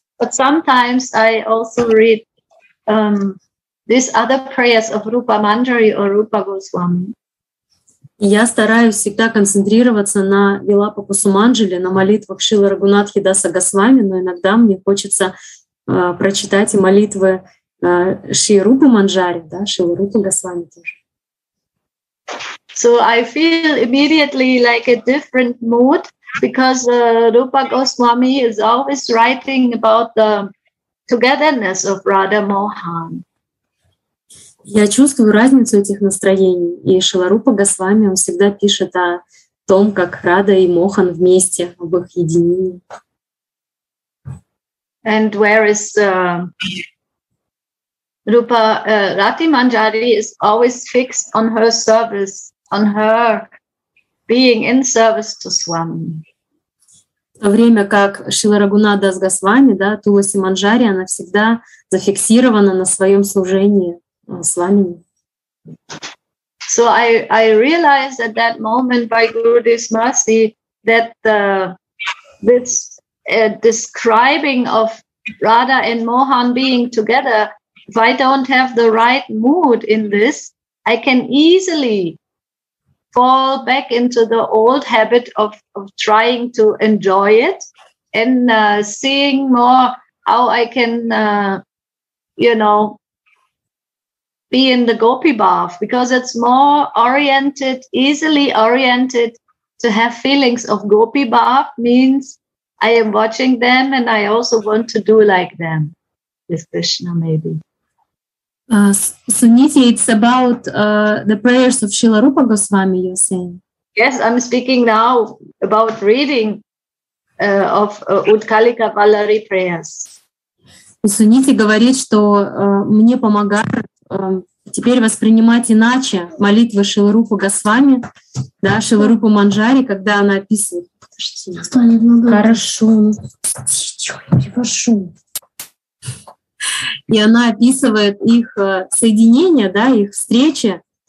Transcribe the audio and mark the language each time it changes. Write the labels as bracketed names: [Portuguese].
[English] But sometimes I also read these other prayers of Rupa Manjari or Rupa Goswami. [Russian] Я стараюсь всегда концентрироваться на Вилапа Кусуманджали, на молитвах Шрилы Рагунатхи Даса Госвами, но иногда мне хочется прочитать и молитвы Шри Рупы Манджари, да, Шрилы Рупы Госвами тоже. [English] So I feel immediately like a different mood, because Rupa Goswami is always writing about the togetherness of Radha Mohan. [Russian] Я чувствую разницу этих настроений. И Шрила Рупа Госвами, он всегда пишет о том, как Рада и Мохан вместе, об их единении. [English] And where is Rupa Rati Manjari is always fixed on her service, on her being in service to Swami. [Russian] В то время как Шрила Рагунатха Дас Госвами, да, Туласи Манджари, она всегда зафиксирована на своем служении. [English] So I realized at that moment by Gurudev's mercy that this describing of Radha and Mohan being together, if I don't have the right mood in this, I can easily fall back into the old habit of trying to enjoy it and seeing more how I can, you know, be in the gopi bath, because it's more oriented, easily oriented to have feelings of gopi bath means I am watching them and I also want to do like them with Krishna maybe. Suniti, it's about the prayers of Srila Rupa Goswami, you're saying. Yes, I'm speaking now about reading of Utkalika Vallari prayers. [Russian] Suniti говорит, что мне помогает теперь воспринимать иначе молитвы Шрила Рупы Госвами, да, Шрила Рупы Манджари, когда она описывает. Хорошо, перевожу. И она описывает их соединение, да, их встречи.